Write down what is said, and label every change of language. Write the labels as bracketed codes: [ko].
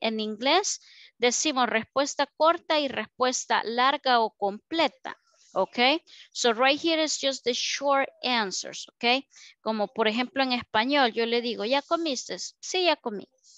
[es] En inglés decimos respuesta corta y respuesta larga o completa, okay? [en] So, right here is just the short answers, okay? [es] Como por ejemplo en español, yo le digo, ¿ya comiste? Sí, ya comí.